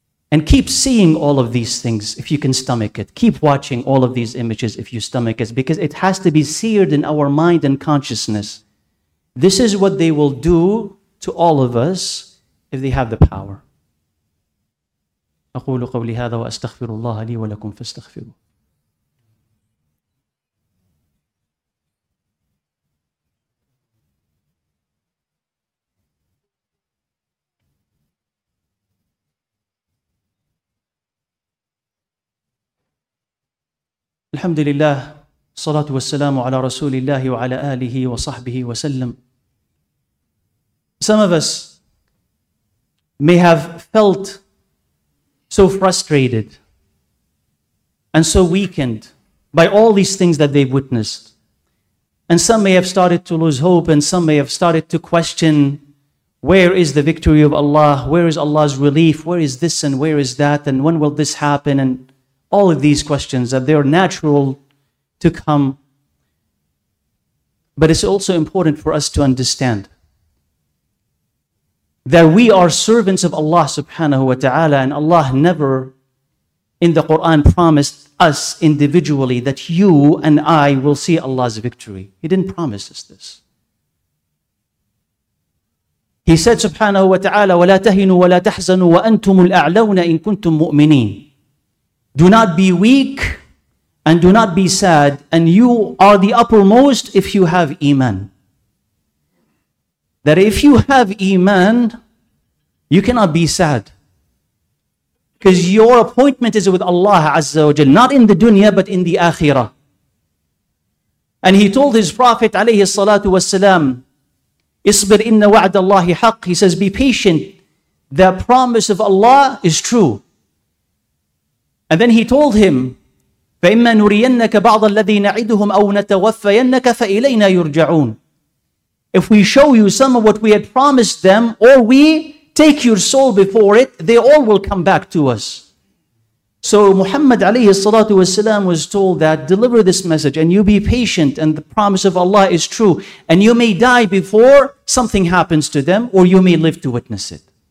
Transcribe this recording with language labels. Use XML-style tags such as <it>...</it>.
<en>And keep seeing all of these things if you can stomach it. Keep watching all of these images if you stomach it, because it has to be seared in our mind and consciousness. This is what they will do to all of us if they have the power.</en> <ar>أقول قولي هذا وأستغفر الله لي ولكم فاستغفروه. الحمد لله الصلاة والسلام على رسول الله وعلى آله وصحبه وسلم.</ar> <en>Some of us may have felt so frustrated and so weakened by all these things that they've witnessed. And some may have started to lose hope, and some may have started to question, where is the victory of Allah? Where is Allah's relief? Where is this and where is that? And when will this happen? And all of these questions that they're natural to come. But it's also important for us to understand that we are servants of Allah subhanahu wa ta'ala, and Allah never in the Quran promised us individually that you and I will see Allah's victory. He didn't promise us this. He said subhanahu wa ta'ala,</en> <ar>وَلَا تَهِنُوا وَلَا تَحْزَنُوا وَأَنْتُمُ الْأَعْلَوْنَ إِن كُنْتُم مُؤْمِنِينَ.</ar> <en>Do not be weak and do not be sad, and you are the uppermost if you have iman. That if you have iman, you cannot be sad. Because your appointment is with Allah Azza wa Jal, not in the dunya, but in the akhirah. And he told his Prophet alayhi salatu wasalam,</en> <ar>اصبر إن وعد الله حق.</ar> <en>He says, be patient, the promise of Allah is true. And then he told him,</en> <ar>فَإِمَّا نُرِيَنَّكَ بَعْضَ الَّذِي نَعِدُهُمْ أَوْ نَتَوَفَّيَنَّكَ فَإِلَيْنَا يُرْجَعُونَ.</ar> <en>If we show you some of what we had promised them, or we take your soul before it, they all will come back to us. So Muhammad alayhi salatu wasalam was told that, deliver this message and you be patient and the promise of Allah is true, and you may die before something happens to them, or you may live to witness it.</en>